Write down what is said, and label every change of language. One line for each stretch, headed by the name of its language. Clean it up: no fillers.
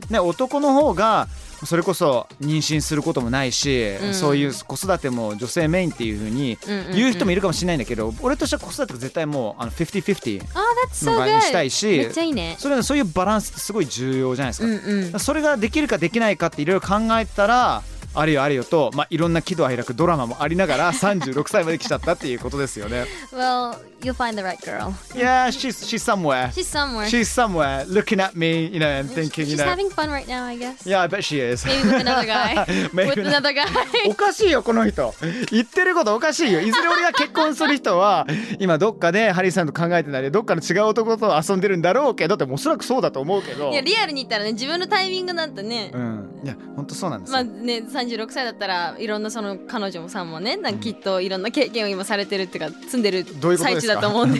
Japanese: で男の方がそれこそ妊娠することもないし、うん、そういう子育ても女性メインっていう風に言う人もいるかもしれないんだけど、うんうんうん、俺としては子育ては絶対もう 50-50 の場合にしたいし、めっちゃいいね。それそういうバランスってすごい重要じゃないですか、うんうん、それができるかできないかっていろいろ考えたらあるよあるよと、まあ、いろんな喜怒哀楽ドラマもありながら36歳まで来ちゃったっていうことですよね。
English: Well, you'll find the right girl. Yeah, she's somewhere. She's somewhere looking at me, you know, and thinking, you know. She's having fun right now, I guess. Yeah, I bet she is. Maybe with another guy.
Japanese: おかしいよこの人。言ってることおかしいよ。いずれ俺が結婚する人は今どっかでハリーさんと考えてたり、どっかの違う男と遊んでるんだろうけど、だっておそらくそうだと思うけど。いやリアルに言ったらね、自分のタイミングなんてね。うん。いや本当そうなんですよ。まあね、36歳だったらいろんなその彼女さんもね、なんかきっといろんな経験を今されてるっていうか積んでる最中だと思うんで。